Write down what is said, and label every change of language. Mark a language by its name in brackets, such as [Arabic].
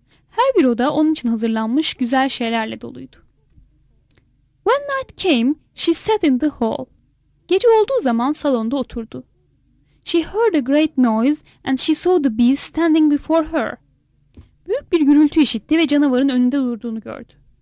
[Turkish] Her bir oda onun için hazırlanmış güzel şeylerle doluydu. [English] When night came, she sat in the hall. [Turkish] Gece olduğu zaman salonda oturdu. [English] She heard a great noise and she saw the beast standing before her. [Turkish] Büyük bir gürültü işitti ve canavarın önünde durduğunu gördü.